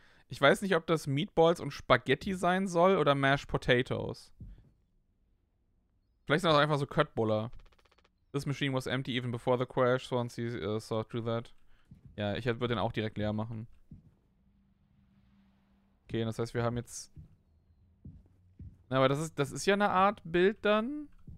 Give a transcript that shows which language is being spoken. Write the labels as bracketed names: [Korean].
[German] Ich weiß nicht, ob das Meatballs und Spaghetti sein soll oder Mashed Potatoes. Vielleicht sind das einfach so Köttbullar. [English] This machine was empty even before the crash, Swansea saw through that. [German] Ja, ich würde den auch direkt leer machen. Okay, das heißt, wir haben jetzt. Na, aber das ist ja eine Art Bild dann.